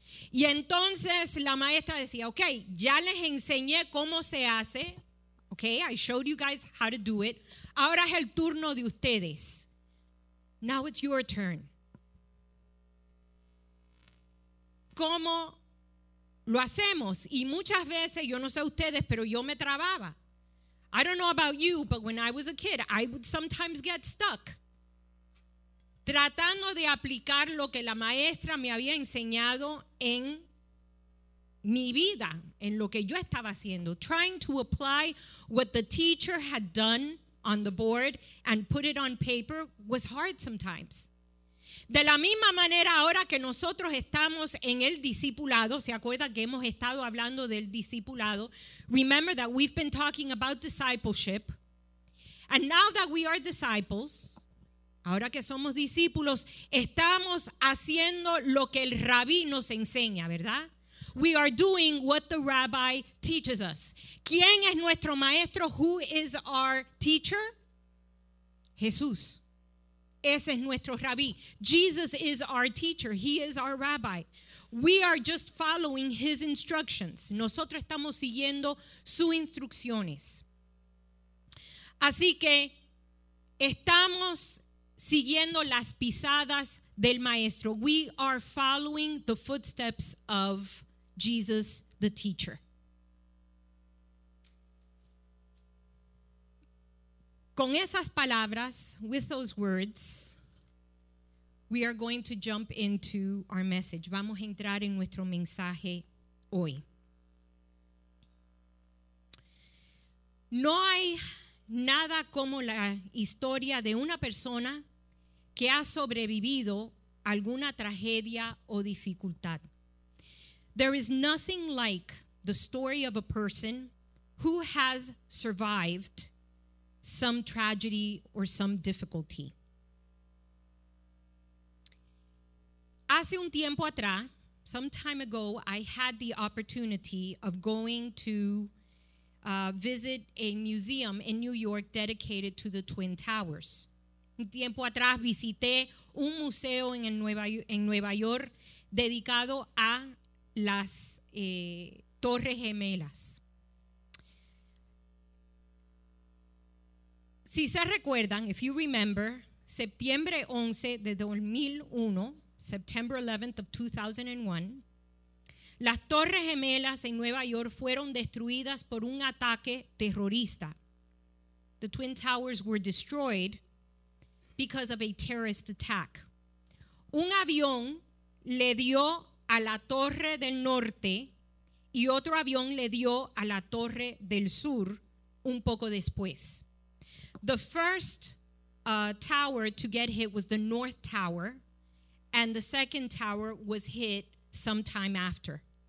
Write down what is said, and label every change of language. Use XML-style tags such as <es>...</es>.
<es>Y entonces la maestra decía, okay, ya les enseñé cómo se hace,</es> <en>okay, I showed you guys how to do it,</en> <es>ahora es el turno de ustedes.</es> <en>Now it's your turn.</en> <es>¿Cómo lo hacemos? Y muchas veces, yo no sé ustedes, pero yo me trababa.</es> <en>I don't know about you, but when I was a kid, I would sometimes get stuck.</en> <es>Tratando de aplicar lo que la maestra me había enseñado en mi vida, en lo que yo estaba haciendo.</es> <en>Trying to apply what the teacher had done on the board and put it on paper was hard sometimes.</en> <es>De la misma manera, ahora que nosotros estamos en el discipulado, ¿se acuerda que hemos estado hablando del discipulado?</es> <en>Remember that we've been talking about discipleship. And now that we are disciples,</en> <es>ahora que somos discípulos, estamos haciendo lo que el rabí nos enseña, ¿verdad?</es> <en>We are doing what the rabbi teaches us.</en> <es>¿Quién es nuestro maestro?</es> <en>Who is our teacher?</en> <es>Jesús. Ese es nuestro rabí.</es> <en>Jesus is our teacher. He is our rabbi. We are just following his instructions.</en> <es>Nosotros estamos siguiendo sus instrucciones. Así que estamos siguiendo las pisadas del maestro.</es> <en>We are following the footsteps of Jesus, the teacher.</en> <es>Con esas palabras,</es> <en>with those words, we are going to jump into our message.</en> <es>Vamos a entrar en nuestro mensaje hoy. No hay nada como la historia de una persona que ha sobrevivido alguna tragedia o dificultad.</es> <en>There is nothing like the story of a person who has survived some tragedy or some difficulty.</en> <es>Hace un tiempo atrás,</es> <en>some time ago, I had the opportunity of going to visit a museum in New York dedicated to the Twin Towers.</en> <es>Un tiempo atrás visité un museo en Nueva York dedicado a las Torres Gemelas. Si se recuerdan,</es> <en>if you remember,</en> <es>septiembre 11 de 2001,</es> <en>September 11th of 2001,</en> <es>las Torres Gemelas en Nueva York fueron destruidas por un ataque terrorista.</es> <en>The Twin Towers were destroyed because of a terrorist attack.</en> <es>Un avión le dio a la Torre del Norte y otro avión le dio a la Torre del Sur un poco después.</es> <en>The first tower to get hit was the North Tower, and the second tower was hit sometime after.</en>